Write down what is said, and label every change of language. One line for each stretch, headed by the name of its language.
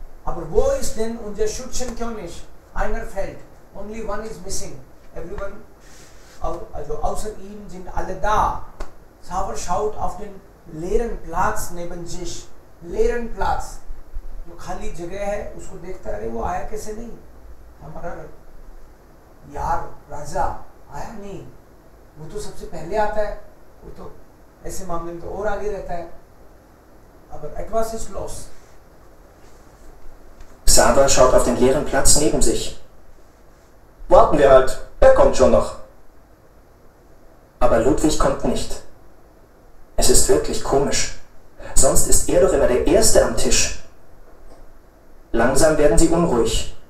German: Aber wo ist denn unser Schützenkönig? Einer fällt.
English: Only one is missing. Everyone,
German: also außer ihm sind alle da. Xaver schaut auf den leeren Platz neben sich. Leeren Platz.
Hindi: Jo khali jagah hai, usko dekhta hai, wo aaya kaise nahi? हमारा यार राजा आया नहीं, वो तो सबसे पहले आता है, वो तो ऐसे मामले में तो और आगे रहता है.
German: Aber etwas ist los. Xaver schaut auf den leeren Platz neben sich. Warten wir halt, er kommt schon noch. Aber Ludwig kommt nicht. Es ist wirklich komisch. Sonst ist er doch immer der Erste am Tisch. Langsam werden sie unruhig.